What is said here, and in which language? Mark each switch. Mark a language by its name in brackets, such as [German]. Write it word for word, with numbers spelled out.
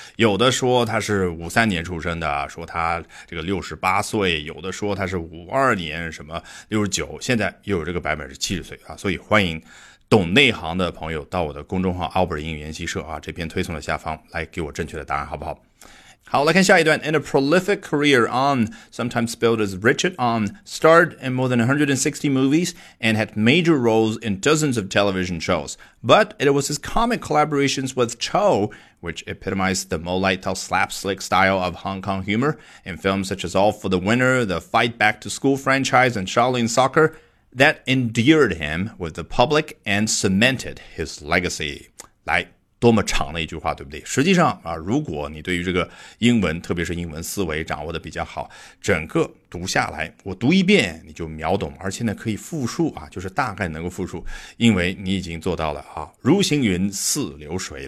[Chinese] 有的说他是五三年出生的，说他这个六十八岁；有的说他是五二年什么六十九，现在又有这个版本是七十岁啊。所以欢迎懂内行的朋友到我的公众号 Albert 英语研习社啊这篇推送的下方来给我正确的答案，好不好？好，来看下一段。 [English] In a prolific career, Ang, sometimes spelled as Richard Ang, starred in more than one hundred sixty movies and had major roles in dozens of television shows. But it was his comic collaborations with Chow, which epitomized the Mo Lai Tau slapstick style of Hong Kong humor in films such as All for the Winner, the Fight Back to School franchise, and Shaolin Soccer, that endeared him with the public and cemented his legacy. [Chinese] 来。多么长的一句话，对不对？实际上啊，如果你对于这个英文，特别是英文思维掌握的比较好，整个读下来，我读一遍你就秒懂，而且呢可以复述啊，就是大概能够复述，因为你已经做到了啊，如行云似流水。